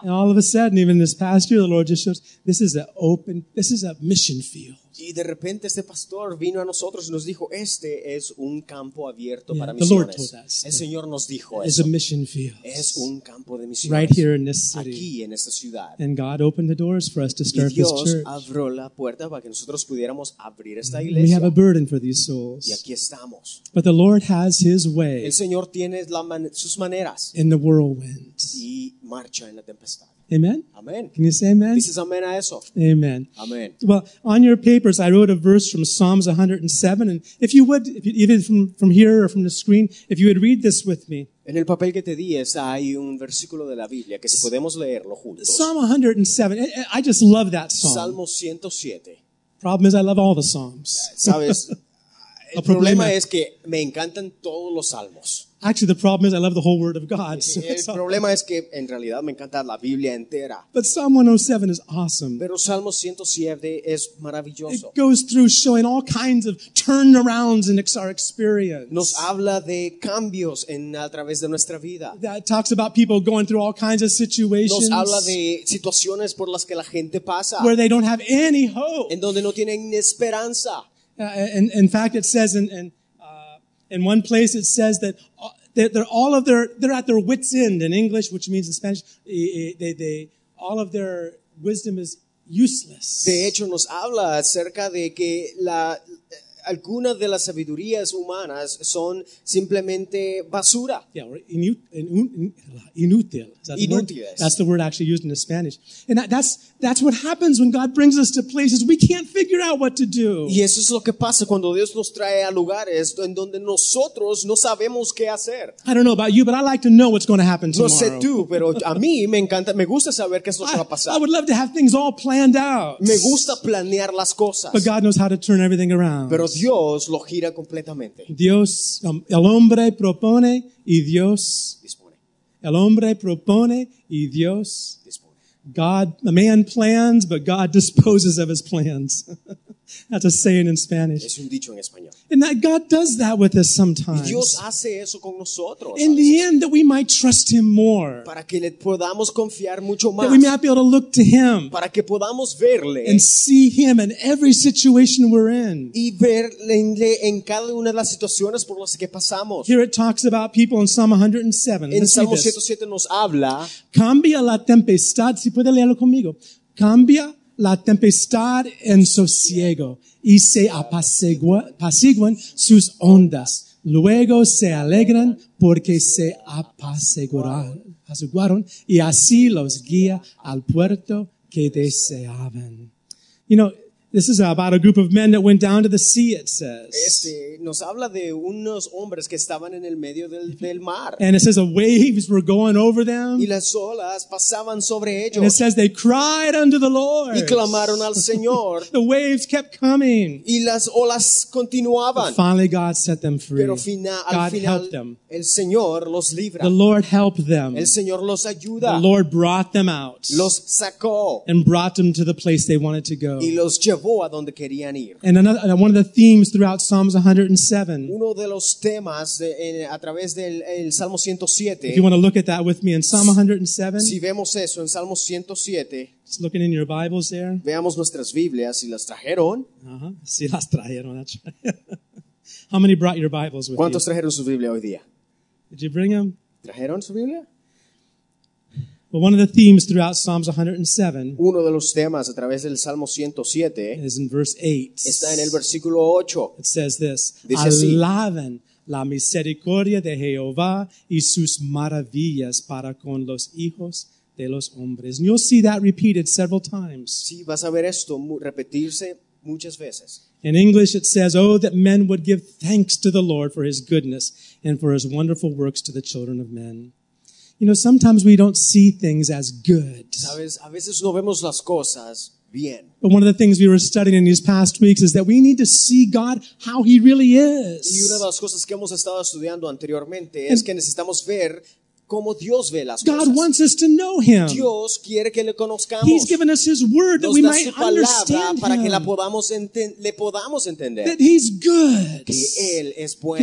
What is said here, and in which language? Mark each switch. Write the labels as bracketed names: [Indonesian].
[English] And all of a sudden, even this past year, the Lord just shows, this is a mission field. [Spanish] Y de repente este pastor vino a nosotros y nos dijo, este es un campo abierto para [English] the [Spanish] misiones. [English] The Lord told us. [Spanish] El Señor nos dijo [English] it's [Spanish] eso. [English] It's a mission field. [Spanish] Es un campo de misiones. [English] Right here in this city. [Spanish] Aquí en esta ciudad. [English] And God opened the doors for us to start this [Spanish] church. Y Dios abrió la puerta para que nosotros pudiéramos abrir esta iglesia. [English] We have a burden for these souls. [Spanish] Y aquí estamos. [English] But the Lord has his way. [Spanish] El Señor tiene sus maneras. [English] In the whirlwind. [Spanish] Y marcha en la tempestad. [English] Amen? Amen. Can you say amen? This is amen [Spanish] a eso. [English] Amen. Amen. Well, on your papers, I wrote a verse from Psalms 107. And if you would, if you, either from here or from the screen, if you would read this with me. [Spanish] En el papel que te di es, hay un versículo de la Biblia que si podemos leerlo juntos. [English] Psalm 107. I just love that psalm. [Spanish] Salmo 107. [English] Problem is, I love all the psalms. [Spanish] Sabes, el problema es que me encantan todos los salmos. [English] Actually, the problem is I love the whole Word of God. So [Spanish] el problema es que en realidad me encanta la Biblia entera. [English] But Psalm 107 is awesome. [Spanish] Pero Salmo 107 es maravilloso. [English] It goes through showing all kinds of turnarounds in our experience. [Spanish] Nos habla de cambios a través de nuestra vida. [English] That talks about people going through all kinds of situations. [Spanish] Nos habla de situaciones por las que la gente pasa. [English] Where they don't have any hope. [Spanish] En donde no tienen esperanza. [English] In fact, it says in one place it says that they're at their wits' end in English, which means in Spanish, they all of their wisdom is useless. [Spanish] De hecho, nos habla acerca de que algunas de las sabidurías humanas son simplemente basura. [English] Yeah, or inútil. [Spanish] Inútiles. [English] That's the word actually used in the Spanish. And that's what happens when God brings us to places we can't figure out what to do. [Spanish] Y eso es lo que pasa cuando Dios nos trae a lugares en donde nosotros no sabemos qué hacer. [English] I don't know about you, but I like to know what's going to happen tomorrow. [Spanish] No sé tú, pero a mí me encanta, me gusta saber qué es lo que va a pasar. [English] I would love to have things all planned out. [Spanish] Me gusta planear las cosas. [English] But God knows how to turn everything around. [Spanish] Pero Dios lo gira completamente. Dios, el hombre propone y Dios dispone. El hombre propone y Dios dispone. [English] God, a man plans, but God disposes of his plans. That's a saying in Spanish. [Spanish] Es un dicho en español. [English] And that God does that with us sometimes. [Spanish] Y Dios hace eso con nosotros. [English] In the end, that we might trust him more. [Spanish] Para que le podamos confiar mucho más. [English] That we might be able to look to him. [Spanish] Para que podamos verle. [English] And see him in every situation we're in. [Spanish] Y verle en cada una de las situaciones por las que pasamos. [English] Here it talks about people in Psalm 107. [Spanish] En Salmo 107 nos habla. Cambia la tempestad. Si puede leerlo conmigo. Cambia la tempestad en sosiego y se apaciguan sus ondas. Luego se alegran porque se apaciguaron y así los guía al puerto que deseaban. [English] You know, this is about a group of men that went down to the sea, it says. [Spanish] Nos habla de unos hombres que estaban en el medio del mar. [English] And it says the waves were going over them. [Spanish] Y las olas pasaban sobre ellos. [English] And it says they cried unto the Lord. [Spanish] Y clamaron al Señor. [English] The waves kept coming. [Spanish] Y las olas continuaban. [English] But finally God set them free. [Spanish] Pero God [English] helped them. [Spanish] El Señor los libra. [English] The Lord helped them. [Spanish] El Señor los ayuda. [English] The Lord brought them out. [Spanish] Los sacó. [English] And brought them to the place they wanted to go. [Spanish] Y los llevó a donde querían ir. [English] And one of the themes throughout Psalms 107. [Spanish] Uno de los temas a través del Salmo 107. [English] If you want to look at that with me in Psalm 107. [Spanish] Si vemos eso en Salmo 107. [English] Just looking in your Bibles there. [Spanish] Veamos nuestras Biblias, si las trajeron. Si las trajeron. [English] That's right. How many brought your Bibles with you? [Spanish] ¿Cuántos trajeron su Biblia hoy día? [English] Did you bring them? [Spanish] ¿Trajeron su Biblia? [English] But one of the themes throughout Psalms 107, [Spanish] uno de los temas a través del Salmo 107, [English] is in verse 8. [Spanish] Está en el versículo 8. [English] It says this. [Spanish] Dice así: Alaben la misericordia de Jehová y sus maravillas para con los hijos de los hombres. [English] And you'll see that repeated several times. [Spanish] Sí, vas a ver esto repetirse muchas veces. [English] In English it says, oh, that men would give thanks to the Lord for his goodness and for his wonderful works to the children of men. You know, sometimes we don't see things as good. [Spanish] ¿Sabes? A veces no vemos las cosas bien. [English] But one of the things we were studying in these past weeks is that we need to see God how he really is. [Spanish] Y una de las cosas que hemos estado estudiando anteriormente es que necesitamos ver como Dios ve las cosas. [English] God wants us to know him. [Spanish] Dios quiere que le conozcamos. [English] He's given us his word that [Spanish] nos [English] we might understand [Spanish] para [English] him. [Spanish] Que la podamos le podamos entender. [English] That he's good. [Spanish] Que él es bueno.